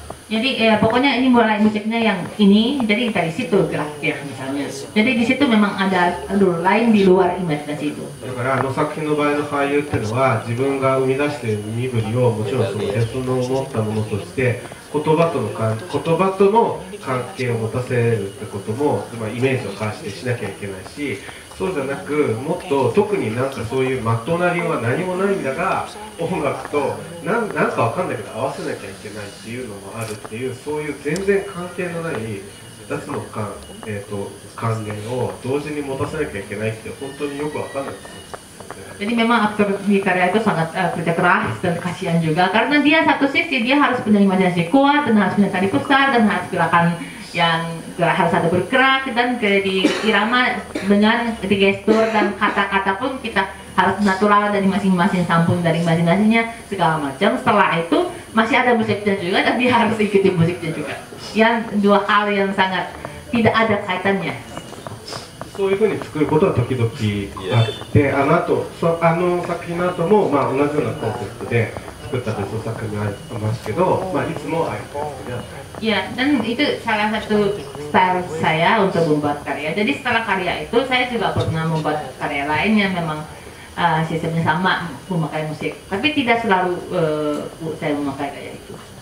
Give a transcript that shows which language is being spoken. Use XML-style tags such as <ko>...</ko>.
<id>Jadi pokoknya ini mulai musiknya yang ini, jadi dari situ geraknya misalnya. Jadi di situ memang ada rule lain di luar imajinasi itu.</id> <ja>だからあの作品の場合の俳優っていうのは自分が生み出している身振りをもちろんその別の思ったものとして 言葉との関係を持たせるってことも、つまりイメージを返してしなきゃいけないし、そうじゃなく、もっと特になんかそういうまっとうな理由は何もないんだが、音楽となんか分かんないけど合わせなきゃいけないっていうのもあるっていう、そういう全然関係のない2つの関連を同時に持たせなきゃいけないって、本当によく分かんない。</ja> <id>Jadi memang aktor di karya itu sangat kerja keras dan kasihan juga, karena dia satu sisi dia harus punya imajinasi kuat dan harus punya tali besar dan harus gerakan yang harus ada bergerak dan di irama dengan di gestur dan kata-kata pun kita harus natural dari masing-masing sampun dari imajinasinya segala macam. Setelah itu masih ada musiknya juga dan dia harus ikuti musiknya juga, yang dua hal yang sangat tidak ada kaitannya.</id> <ja>そういう風に作ることは時々あって、あの後、あの作品の後も、まあ同じようなコンセプトで作った別の作品もありますけど、まあいつもアイコンで。Yeah,</ja> <id>dan itu salah satu style saya untuk membuat karya. Jadi setelah karya itu saya juga pernah membuat karya lain yang memang sistemnya sama memakai musik, tapi tidak selalu saya memakai kayak itu.</id>